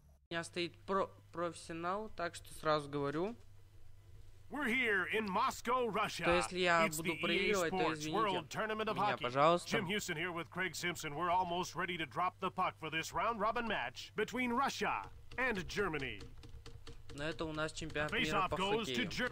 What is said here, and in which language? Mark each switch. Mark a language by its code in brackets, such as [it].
[ru] Меня стоит профессионал, так что сразу говорю. [en] We're here in Moscow, Russia. [ru] То если я [en] It's [ru] буду проигрывать, то извините меня, пожалуйста. [en] Jim Houston here with Craig Simpson. We're almost ready to drop the puck for this round robin match between Russia and Germany. [ru] Но это у нас чемпионат мира по хоккею.